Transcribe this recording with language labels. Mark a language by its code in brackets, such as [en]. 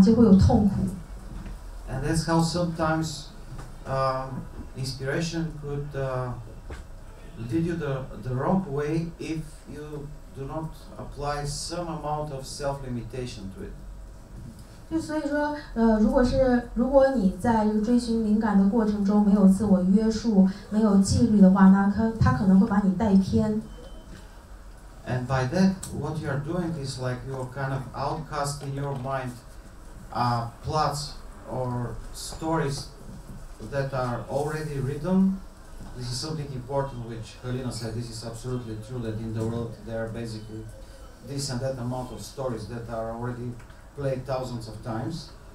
[zh] 但其实，对于所有的作家来讲，他们都非常的渴望灵感。但我也听说佛家有一个说法，如果你有欲望的话，你就会有痛苦。 [en] And that's how sometimes inspiration could lead you the wrong way if you do not apply some amount of self-limitation to it. [zh] 就所以说，如果你在追寻灵感的过程中没有自我约束、没有纪律的话，那它可能会把你带偏。 [en] And by that, what you are doing is like you are kind of outcasting your mind, plots or stories that are already written. This is something important which Halina said, this is absolutely true, that in the world there are basically this and that amount of stories that are already played thousands of times.